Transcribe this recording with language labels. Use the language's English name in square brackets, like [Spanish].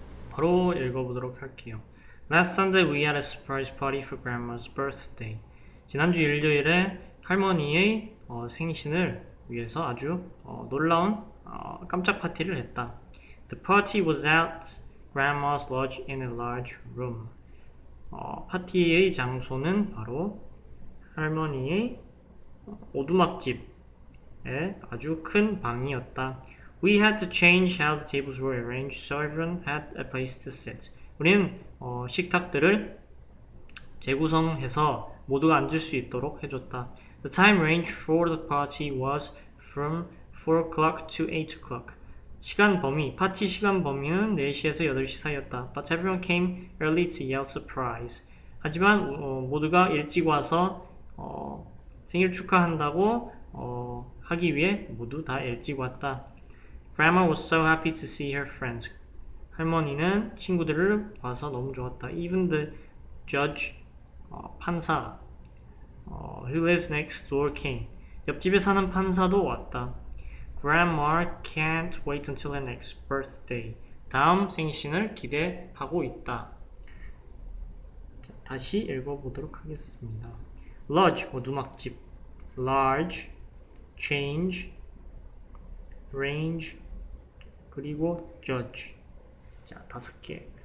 [Korean] 바로 읽어보도록 할게요. [English] Last Sunday we had a surprise party for grandma's birthday. [Korean] 지난주 일요일에 할머니의 생신을 위해서 아주 놀라운 깜짝 파티를 했다. [English] The party was at grandma's lodge in a large room. [Korean] 파티의 장소는 바로 할머니의 오두막집에 아주 큰 방이었다. [English] We had to change how the tables were arranged so everyone had a place to sit. [Korean] 우리는 식탁들을 재구성해서 모두가 앉을 수 있도록 해줬다. [English] The time range for the party was from 4 o'clock to 8 o'clock. [Korean] 시간 범위, 파티 시간 범위는 4시에서 8시 사이였다. [English] But everyone came early to yell surprise. [Korean] 하지만 모두가 일찍 와서 생일 축하한다고 하기 위해 모두 다 일찍 왔다. [English] Grandma was so happy to see her friends. [Korean] 할머니는 친구들을 봐서 너무 좋았다. [English] Even the judge, 판사, who lives next door came. [Korean] 옆집에 사는 판사도 왔다. [English] Grandma can't wait until her next birthday. [Korean] 다음 생신을 기대하고 있다. 자, 다시 읽어보도록 하겠습니다. Lodge, 오두막집. Large, change, range, 그리고 judge. 자, 다섯 개.